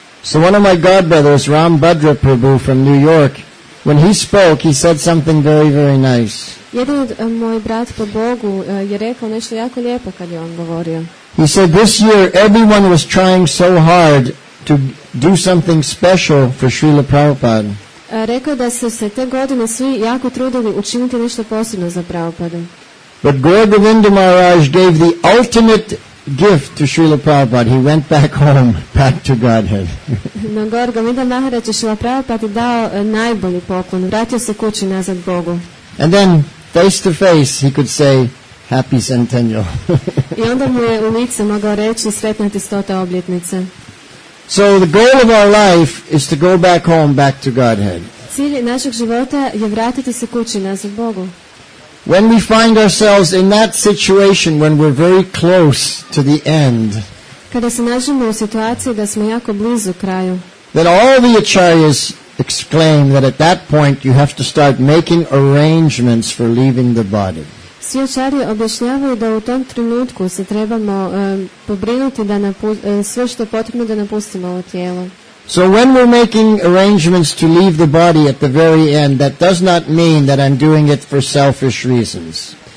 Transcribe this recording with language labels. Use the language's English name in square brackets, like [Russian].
[English] So one of my godbrothers, Ram Bhadra Prabhu from New York, when he spoke, he said something very, very nice. [Croatian] Jedan od moj brat po Bogu je rekao nešto jako lijepo kad je on govorio. [English] He said this year everyone was trying so hard to do something special for Srila Prabhupada. [Croatian] Rekao da su se te godine svi jako trudili učiniti nešto posebno za Prabhupada. [English] But Gaur Govinda Maharaj gave the ultimate gift to Srila Prabhupada. He went back home, back to Godhead. [Croatian] No Gaur Govinda Maharaj je Srila Prabhupada dao najbolji poklon. Vratio se kući nazad Bogu. [English] And then, face to face, he could say, happy centennial. [Croatian] I onda mu je u lice mogao reći sretna ti stota obljetnice. [English] So the goal of our life is to go back home, back to Godhead. [Croatian] Cilj našeg života je vratiti se kući nazad Bogu. [English] When we find ourselves in that situation when we're very close to the end. [Croatian] Kada se nađemo u situaciji da smo jako blizu kraju. [English] Then all the acharyas exclaim that at that point you have to start making arrangements for leaving the body. [Croatian] Svi acharije objašnjavaju da u tom trenutku se trebamo pobrinuti da sve što je potrebno da napustimo ovo tijelo. [English] So when we're making arrangements to leave the body at the very end, that does not mean that I'm doing it for selfish reasons.